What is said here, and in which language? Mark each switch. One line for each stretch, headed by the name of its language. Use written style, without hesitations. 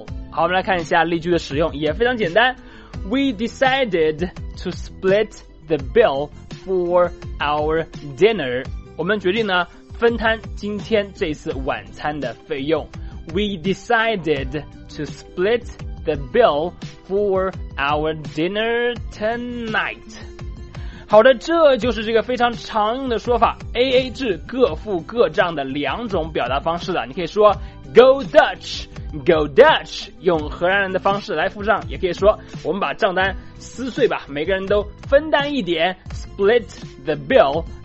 Chinese: 好，我们来看一下例句的使用，也非常简单。
English: We decided to split the bill for our dinner.
Chinese: 我们决定呢分摊今天这次晚餐的费用。
English: We decided to split the bill for our dinner tonight.
Chinese: 好的，这就是这个非常常用的说法 ,AA 制各付各账的两种表达方式了。你可以说
English: Go Dutch! Go Dutch，
Chinese: 用荷兰人的方式来付账，也可以说我们把账单撕碎吧，每个人都分担一点，
English: Split the bill。